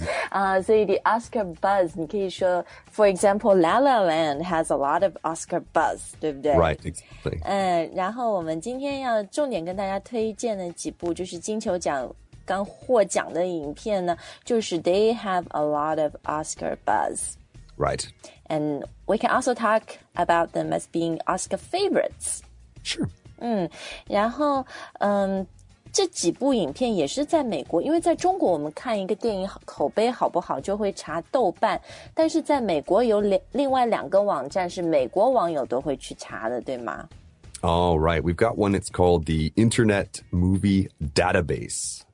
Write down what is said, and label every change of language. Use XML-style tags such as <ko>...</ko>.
<zh>啊，所以</zh> <en>the Oscar buzz,</en> <zh>你可以说</zh> <en>for example, La La Land has a lot of Oscar buzz,</en> <zh>对不对</zh> <en>？Right, exactly.</en> <zh>然后我们今天要重点跟大家推荐的几部就是金球奖刚获奖的影片呢，就是</zh> <en>they have a lot of Oscar buzz. Right. And we can also talk about them as being Oscar favorites. Sure.</en> <zh>然后这几部影片也是在美国，因为在中国我们看一个电影口碑好不好就会查豆瓣，但是在美国有另外两个网站是美国网友都会去查的，对吗？</zh> <en>Oh, right. We've got one, it's called the Internet Movie Database.</en>